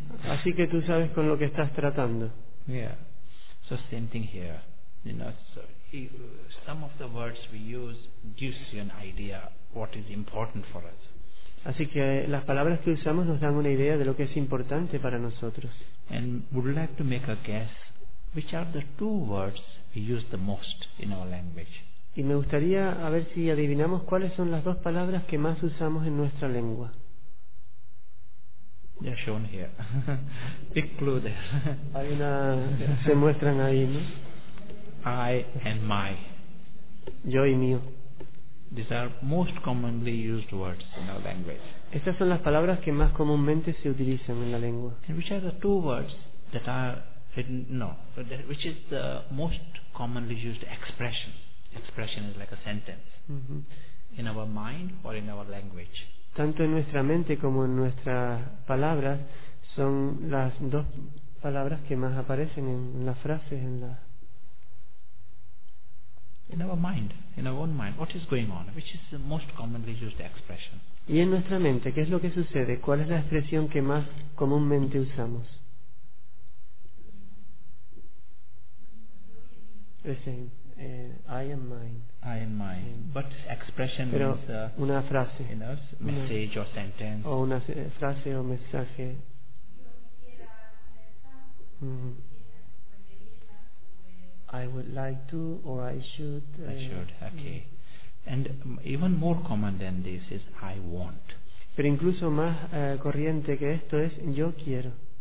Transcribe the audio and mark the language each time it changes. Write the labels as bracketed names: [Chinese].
[Spanish] Así que tú sabes con lo que estás tratando. [English] Yeah. So same thing here. You know, so some of the words we use gives you an idea what is important for us. [Spanish] Así que las palabras que usamos nos dan una idea de lo que es importante para nosotros. [English] And would like to make a guess which are the 2 words we use the most in our language. [Spanish] Y me gustaría a ver si adivinamos cuáles son las 2 palabras que más usamos en nuestra lengua. [English] They're shown here. Big clue there. [Spanish] Hay una, se muestran ahí, ¿no? [English] I and my. [Spanish] Yo y mío. [English] These are most commonly used words in our language. [Spanish] Estas son las palabras que más comúnmente se utilizan en la lengua. [English] And which are the 2 words that are hidden? Which is the most commonly used expression? Expression is like a sentence. Mm-hmm. In our mind or in our language. [Spanish] Tanto en nuestra mente como en nuestras palabras son las 2 palabras que más aparecen en las frases en la. [English] In our mind, in our own mind, what is going on? Which is the most commonly used expression? [Spanish] Y en nuestra mente, ¿qué es lo que sucede? ¿Cuál es la expresión que más comúnmente usamos? [English] Listen, I am mine. I am mine. Yeah. But expression [Spanish] pero [English] means [Spanish] una frase. [English] You know, message or sentence. [Spanish] O una frase o mensaje. [English] I would like to, or I should. I should, okay. And even more common than this is I want. [Spanish] Pero incluso más corriente que esto es yo quiero.